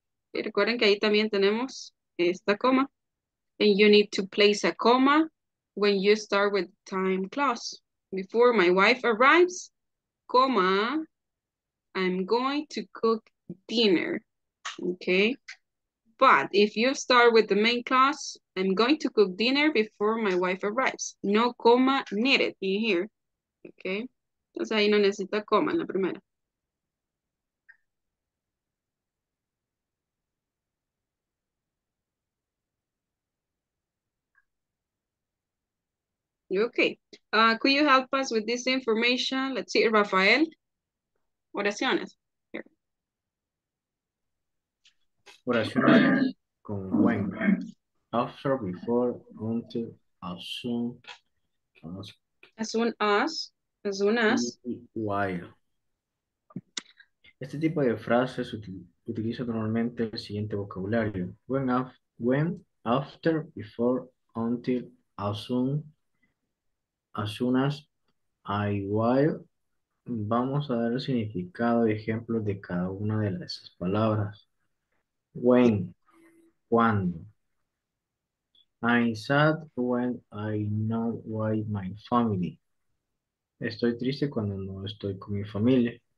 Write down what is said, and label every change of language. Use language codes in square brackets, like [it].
[es] Okay, recuerden que ahí también tenemos esta coma. [en] And you need to place a comma when you start with time clause. Before my wife arrives, comma, I'm going to cook dinner, okay? But if you start with the main clause, I'm going to cook dinner before my wife arrives. No comma needed in here, okay? [es] Entonces ahí no necesita coma en la primera. [en] Okay, could you help us with this information? Let's see, Rafael, [es] oraciones. [en] Here. [es] Oraciones con [en] when. After, before, going to, as soon as. As soon as. As soon as. While. [es] Este tipo de frases utiliza normalmente el siguiente vocabulario. [en] When, after, before, until, as soon as, I while. [es] Vamos a dar el significado y ejemplos de cada una de esas palabras. [en] When, [es] cuando. [en] I'm sad when I know why my family. [es] Estoy triste cuando no estoy con mi familia.